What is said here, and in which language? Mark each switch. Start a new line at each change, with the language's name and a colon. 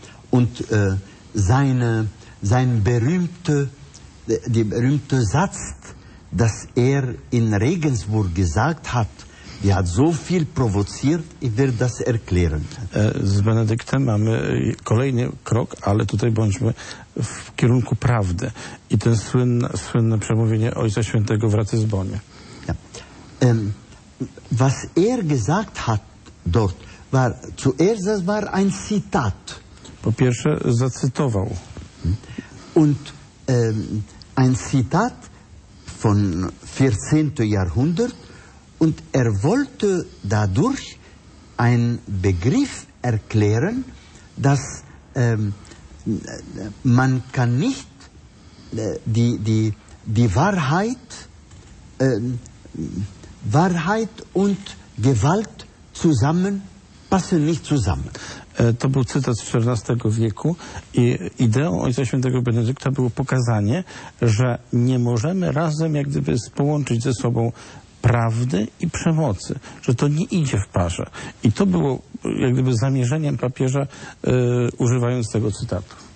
German: Und der berühmte Satz, dass er in Regensburg gesagt hat, die hat so viel provoziert, ich werde das erklären.
Polish: Z Benedyktem mamy kolejny krok, ale tutaj bądźmy w kierunku prawdy. I ten słynne przemówienie Ojca Świętego w Ratyzbonie.
German: Ja. Was er gesagt hat dort, war zuerst das war ein Zitat.
Polish: Po pierwsze zacytował.
German: Und ein Zitat von 14. Jahrhundert und er wollte dadurch einen Begriff erklären, dass man kann nicht die Wahrheit Wahrheit und Gewalt zusammen passen nicht zusammen.
Polish: To był cytat z XIV wieku i ideą Ojca Świętego Benedykta było pokazanie, że nie możemy razem jak gdyby połączyć ze sobą prawdy i przemocy, że to nie idzie w parze. I to było jak gdyby zamierzeniem papieża, używając tego cytatu.